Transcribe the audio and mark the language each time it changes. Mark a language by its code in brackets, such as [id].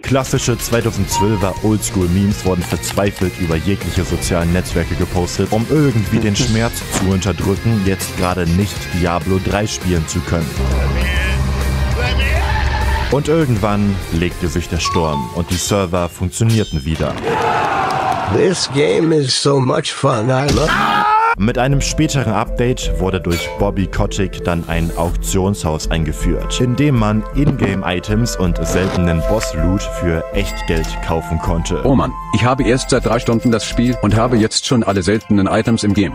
[de] Klassische 2012er Oldschool-Memes wurden verzweifelt über jegliche sozialen Netzwerke gepostet, um irgendwie den Schmerz zu unterdrücken, jetzt gerade nicht Diablo 3 spielen zu können. Und irgendwann legte sich der Sturm und die Server funktionierten wieder. [en] This game is so much fun, I love. [de] Mit einem späteren Update wurde durch Bobby Kotick dann ein Auktionshaus eingeführt, in dem man Ingame-Items und seltenen Boss-Loot für Echtgeld kaufen konnte. Oh Mann, ich habe erst seit 3 Stunden das Spiel und habe jetzt schon alle seltenen Items im Game.